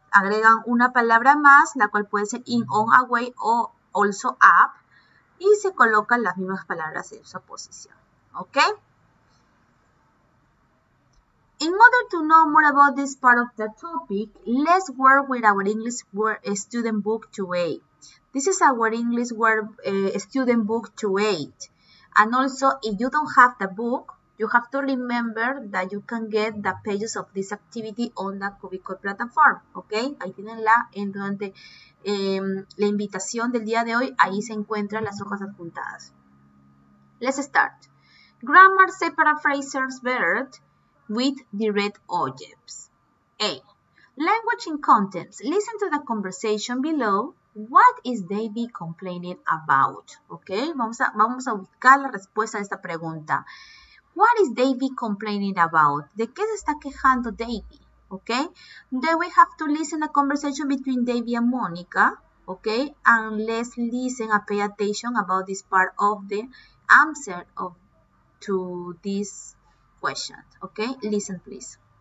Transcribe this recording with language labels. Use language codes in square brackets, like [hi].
[es] Agregan una palabra más, la cual puede ser in, on, away o also up. Y se colocan las mismas palabras en su posición. ¿Ok? [en] In order to know more about this part of the topic, let's work with our English word student book 2A. This is our English word student book 2A. And also, if you don't have the book, you have to remember that you can get the pages of this activity on the Cubicol platform, ¿ok? [es] Ahí tienen la invitación del día de hoy, ahí se encuentran las hojas adjuntadas. [en] Let's start. Grammar separate phrases verb with direct objects. A. Language in contents. Listen to the conversation below. What is David complaining about? ¿Ok? [es] Vamos a buscar la respuesta a esta pregunta. [en] What is David complaining about? [es] ¿De qué se está quejando David? [en] Okay. Then we have to listen a conversation between David and Monica. Okay. And let's listen and pay attention about this part of the answer of to this question. Okay, listen please.